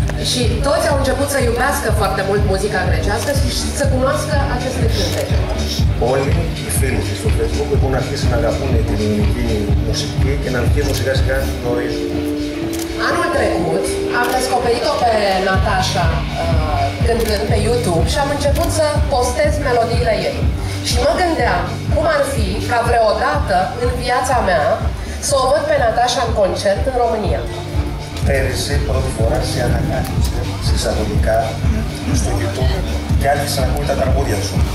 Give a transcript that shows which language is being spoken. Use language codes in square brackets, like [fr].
[ro] Și toți au început să iubească foarte mult muzica grecească și să cunoască aceste cântece. [el] Όλοι οι φίλοι της στο Facebook έχουν αρχίσει να αγαπούν την ελληνική μουσική και να αρχίζουν σιγά σιγά να γνωρίζουν. [ro] Anul trecut am descoperit-o πε Natasha cântând pe YouTube și am început să postez melodiile ei. Și mă gândeam cum ar fi ca vreodată în viața mea să o văd pe Natasha în concert în România. [el] Πέρυσι, πρώτη φορά, σε ανακάλυψε συσταγωγικά στο YouTube και άρχισε να ακούει τα τραγούδια σου.